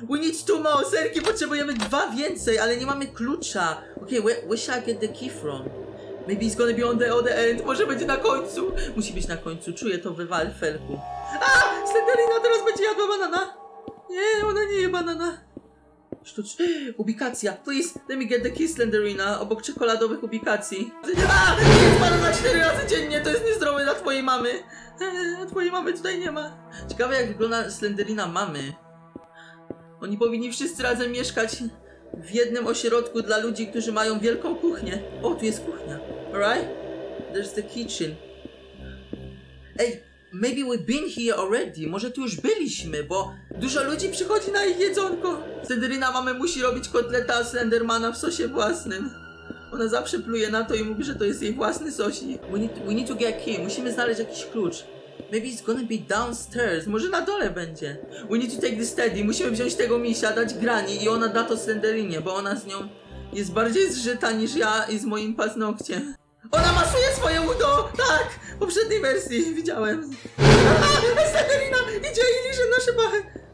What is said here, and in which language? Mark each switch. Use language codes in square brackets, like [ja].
[en] We need 2 more, [pl] serki, potrzebujemy 2 więcej, ale nie mamy klucza. [en] Okay, where should I get the key from? Maybe it's gonna be on the other end. [pl] Może będzie na końcu. Musi być na końcu. Czuję to we walfelku. Slenderina teraz będzie jadła banana. Nie, ona nie je banana. Ubikacja. [en] Please, let me get the key, Slenderina. [pl] Obok czekoladowych ubikacji. Jest banana 4 razy dziennie. To jest niezdrowe dla twojej mamy. Twojej mamy tutaj nie ma. Ciekawe jak wygląda Slenderina mamy. Oni powinni wszyscy razem mieszkać w jednym ośrodku dla ludzi, którzy mają wielką kuchnię. O, tu jest kuchnia. [en] Alright? There's the kitchen. Ej, maybe we've been here already. [pl] Może tu już byliśmy, bo dużo ludzi przychodzi na ich jedzonko. Slenderina mamy musi robić kotleta Slendermana w sosie własnym. Ona zawsze pluje na to i mówi, że to jest jej własny sosik. [en] We need to get a key. [pl] Musimy znaleźć jakiś klucz. [en] Maybe it's gonna be downstairs. [pl] Może na dole będzie. [en] We need to take this teddy. [pl] Musimy wziąć tego misia, dać Granny i ona da to Slenderinie, bo ona z nią jest bardziej zżyta niż ja i z moim paznokciem. Ona masuje swoje udo! Tak! W poprzedniej wersji widziałem. Slenderina idzie i liże nasze pachy.